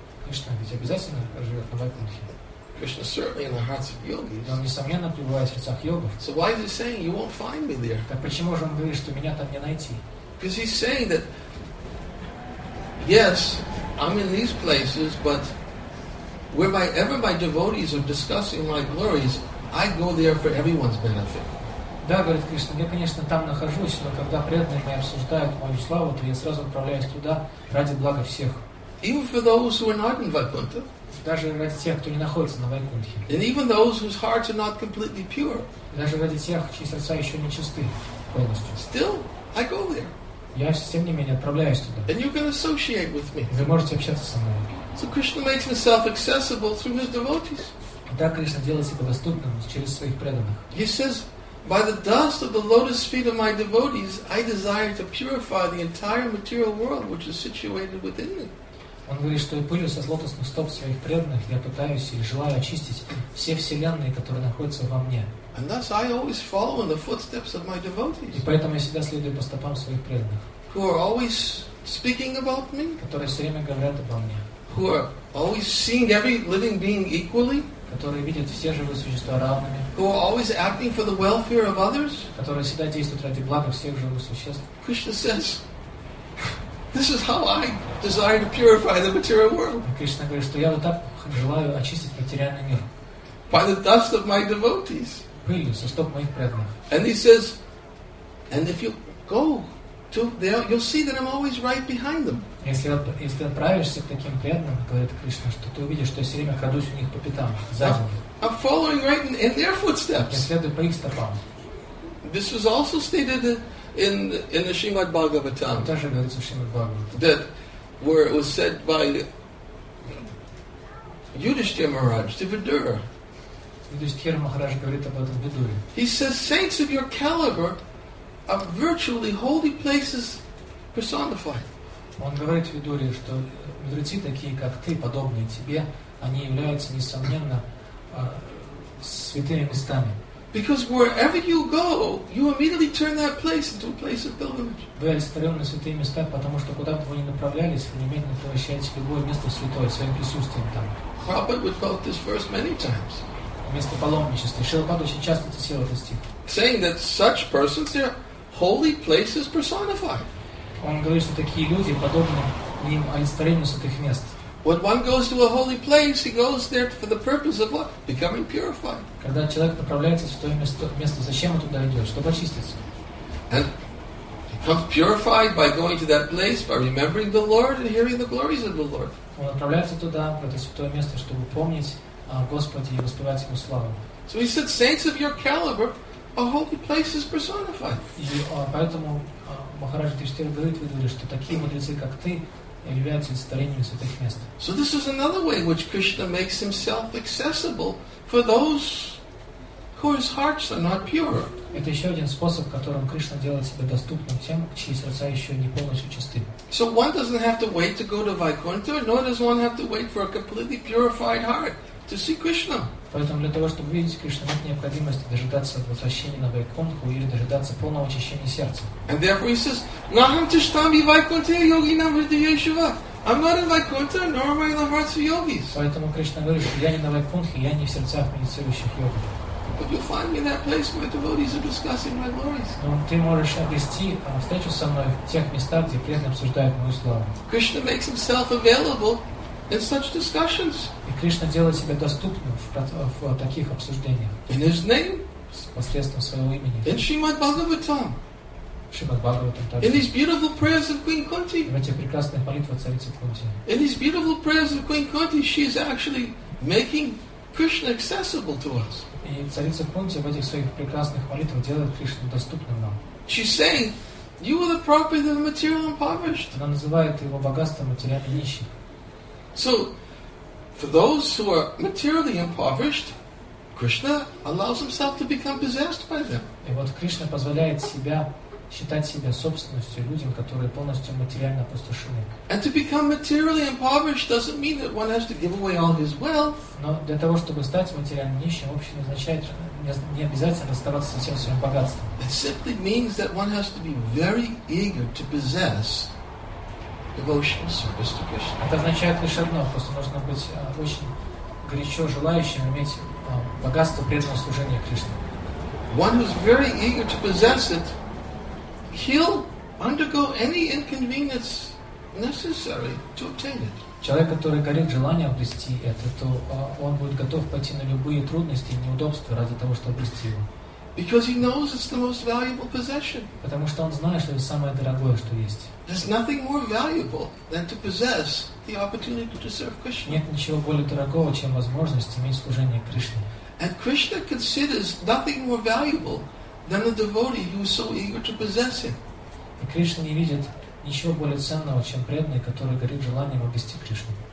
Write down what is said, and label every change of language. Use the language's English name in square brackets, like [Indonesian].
[Russian] Кришна ведь обязательно живет на Вайкунтхе. [English] Krishna certainly in the hearts of yogis. [Russian] Он несомненно пребывает в сердцах йогов. [English] So why is he saying you won't find me there? [Russian] Так почему же он говорит, что меня там не найти? [English] Because he's saying that yes, I'm in these places, but wherever my devotees are discussing my glories, I go there for everyone's benefit. [Russian] Да, говорит Кришна, я, конечно, там нахожусь, но когда преданные мои обсуждают мою славу, то я сразу отправляюсь туда ради блага всех. [English] Even for those who are not in Vaikuntha. [Russian] Даже ради тех, кто не находится на Вайкунтхе. [English] And even those whose hearts are not completely pure. [Russian] Даже ради тех, чьи сердца еще не чисты полностью. [English] Still, I go there. [Russian] Я, тем не менее, отправляюсь туда. [English] And you can associate with me. [Russian] Вы можете общаться со мной. [English] So Krishna makes himself accessible through his devotees. [Russian] И так Кришна делает себя доступным через своих преданных. [English] He says, by the dust of the lotus feet of my devotees, I desire to purify the entire material world which is situated within me. [Russian] Он говорит, что пылью со лотосных стоп своих преданных я пытаюсь и желаю очистить все вселенные, которые находятся во мне. [English] And thus I always follow in the footsteps of my devotees. [Russian] И поэтому я всегда следую по стопам своих преданных. [English] Who are always speaking about me? [Russian] Которые все время говорят обо мне. [English] Who are always seeing every living being equally? [Russian] Которые видят все живые существа равными. [English] Who are always acting for the welfare of others? [Russian] Которые всегда действуют ради блага всех живых существ. [English] Krishna says, this is how I desire to purify the material world. [Russian] Кришна говорит, что я вот так желаю очистить материальный мир. [English] By the dust of my devotees. [Russian] Пылью со стоп моих преданных. [English] And he says, and if you go to there, you'll see that I'm always right behind them. [Russian] Если отправишься к таким преданным, говорит Кришна, что ты увидишь, что я все время крадусь у них по пятам, сзади. [English] I'm following right in their footsteps. [Russian] Я следую по их стопам. [English] This was also stated in the Srimad Bhagavatam. [Russian] Тоже говорится в Шримад Бхагаватам. [English] That where it was said by Yudhishthira Maharaj to Vidura. [Russian] Yudhishthira Maharaj говорит об этом Видуре. [English] He says, saints of your caliber are virtually holy places personified. [Russian] Он говорит Видуре, что мудрецы такие, как ты, подобные тебе, они являются, несомненно, святыми местами. [English] Because wherever you go, you immediately turn that place into a place of pilgrimage. [Russian] Вы олицетворены святые места, потому что куда бы вы ни направлялись, вы немедленно превращаете любое место в святое своим присутствием там. [English] Prabhupada would quote this verse many times. [Russian] Место паломничества. Шрила Прабхупада очень часто цитировал этот стих. [English] Saying that such persons are holy places personified. [Russian] Он говорит, что такие люди подобны им олицетворению святых мест. [English] When one goes to a holy place, he goes there for the purpose of what? Becoming purified. [Russian] Когда человек направляется в святое место, зачем он туда идет? Чтобы очиститься. [English] And he becomes purified by going to that place, by remembering the Lord and hearing the glories of the Lord. [Russian] Он направляется туда, в это святое место, чтобы помнить о Господе и воспевать Ему славу. [English] So he said, saints of your caliber, a holy place is personified. [Russian] И поэтому Махарадж Тиштир говорит, видели, что такие мудрецы, как ты, являются олицетворением святых мест. [English] So this is another way in which Krishna makes himself accessible for those whose hearts are not pure. [Russian] Это еще один способ, которым Кришна делает себя доступным тем, чьи сердца еще не полностью чисты. [English] So one doesn't have to wait to go to Vaikuntha, nor does one have to wait for a completely purified heart to see Krishna. [Russian] Поэтому для того, чтобы видеть Кришну, нет необходимости дожидаться возвращения на Вайкунтху или дожидаться полного очищения сердца. [English] And therefore he says, [Sanskrit] Naham tishtami Vaikunthe yoginam hridayeshuva. [English] I'm not in Vaikuntha, nor am I in the hearts of yogis. [Russian] Поэтому Кришна говорит, что я не на Вайкунтхе, я не в сердцах медитирующих йогов. [English] But you'll find me in that place where devotees are discussing my glories. [Russian] Но ты можешь обрести встречу со мной в тех местах, где преданные обсуждают мою славу. [English] Krishna makes himself available in such discussions. [Russian] И Кришна делает себя доступным в таких обсуждениях. [English] In his name. [Russian] Посредством своего имени. [English] In Shrimad Bhagavatam. In these beautiful prayers of Queen Kunti. [Russian] В этих прекрасных молитвах царицы Кунти. [English] In these beautiful prayers of Queen Kunti, she is actually making Krishna accessible to us. [Russian] И царица Кунти в этих своих прекрасных молитвах делает Кришну доступным нам. [English] She's saying, "You are the property of the material impoverished." [Russian] Она называет его богатством материально нищих. [English] So, for those who are materially impoverished, Krishna allows himself to become possessed by them. [Russian] И вот Кришна позволяет себя считать себя собственностью людям, которые полностью материально опустошены. [English] And to become materially impoverished doesn't mean that one has to give away all his wealth. [Russian] Но для того, чтобы стать материально нищим, вообще не означает, не обязательно расставаться со всем своим богатством. [English] It simply means that one has to be very eager to possess devotional service to Krishna. [Russian] Это означает лишь одно: просто нужно быть очень горячо желающим иметь богатство преданного служения Кришне. [English] One who's very eager to possess it, he'll undergo any inconvenience necessary to obtain it. [Russian] Человек, который горит желанием обрести это, то он будет готов пойти на любые трудности и неудобства ради того, чтобы обрести его. [English] Because he knows it's the most valuable possession. [Russian] Потому что он знает, что это самое дорогое, что есть. [English] There's nothing more valuable than to possess the opportunity to serve Krishna. [Russian] Нет ничего более дорогого, чем возможность иметь служение Кришне. [English] And Krishna considers nothing more valuable than the devotee who is so eager to possess him. [Russian] И Кришна не видит ничего более ценного, чем преданный, который горит желанием обрести Кришну.